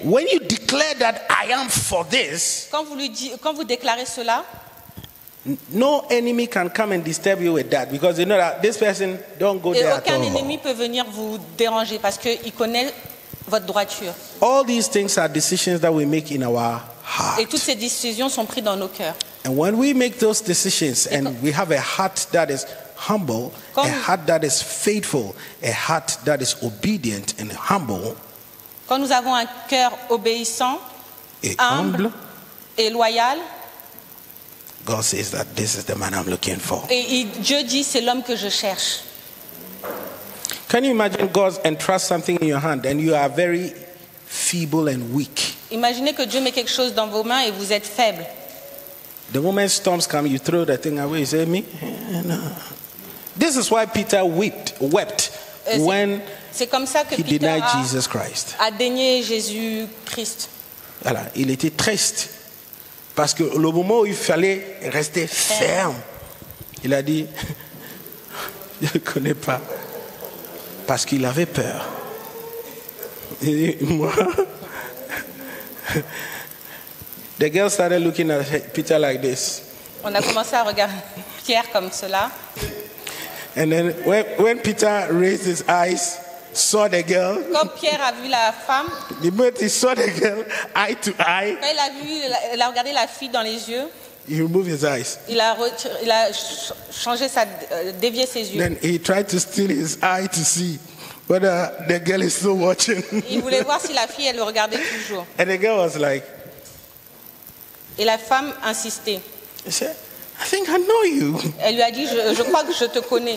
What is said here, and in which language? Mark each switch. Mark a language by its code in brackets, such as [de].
[en] When you declare that I am for this, [fr] quand vous déclarez cela, [en] no enemy can come and disturb you with that because you know that this person don't go there at all. [fr] Et aucun ennemi peut venir vous déranger parce que il connaît votre droiture. [en] All these things are decisions that we make in our heart. [fr] Et toutes ces décisions sont prises dans nos cœurs. [en] And when we make those decisions and we have a heart that is humble, a heart that is faithful, a heart that is obedient and humble. [fr] Quand nous avons un cœur obéissant, et humble et loyal, [en] God says that this is the man I'm looking for. [fr] Et Dieu dit c'est l'homme que je cherche. [en] Can you imagine God entrust something in your hand and you are very feeble and weak? [fr] Imaginez que Dieu met quelque chose dans vos mains et vous êtes faible. [en] The moment storms come, you throw the thing away. You say, me? No. This is why Peter wept when [fr] c'est comme ça que [en] he Peter denied a Jesus Christ. [fr] A dénié Jésus Christ. Voilà, il était triste parce que le moment où il fallait rester ferme, il a dit, je ne connais pas, parce qu'il avait peur. Il dit, moi. [en] The girl started looking at Peter like this. [fr] On a commencé à regarder Pierre comme cela. [en] And then when Peter raised his eyes, saw the girl. [fr] Quand Pierre a vu la femme. [en] The moment he saw the girl eye to eye. [fr] Quand il a regardé la fille dans les yeux. [en] He removed his eyes. [fr] Il a changé sa dévié ses yeux. [en] Then he tried to steal his eye to see. But the girl is still watching. [fr] Il voulait voir si la fille elle le regardait toujours. [en] And the girl was like. [fr] Et la femme insistait. [en] She said, I think I know you. [fr] Elle lui a dit, je crois que je te connais.